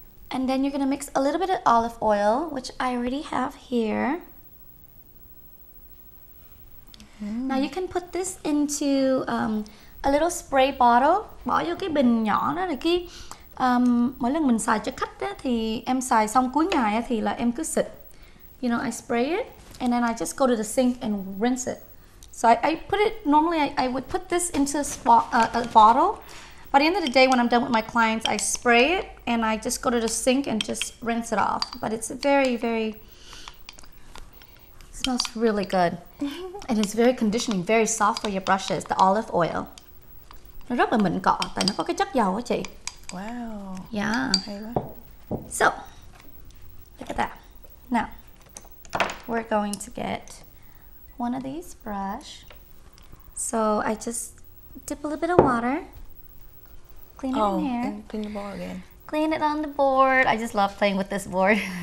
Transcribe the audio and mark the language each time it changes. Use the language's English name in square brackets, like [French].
[English] And then you're gonna mix a little bit of olive oil, which I already have here. Now you can put this into a little spray bottle. [Vietnamese] Bỏ vô cái bình nhỏ đó là cái mỗi lần mình xài cho khách đó, thì em xài xong cuối ngày thì là em cứ xịt. [English] You know, I spray it and then I just go to the sink and rinse it. So I put it, normally I would put this into a bottle. By the end of the day when I'm done with my clients, I spray it and I just go to the sink and just rinse it off. But it's very, very, it smells really good. And it's very conditioning, very soft for your brushes, the olive oil. [Vietnamese] Nó rất là mịn cọ, tại nó có cái chất dầu á chị. [English] Wow. Yeah. [Vietnamese] Hay quá. [English] So, look at that. Now, we're going to get one of these brush. So, I just dip a little bit of water. Clean it in here. And clean the board again. Clean it on the board. I just love playing with this board.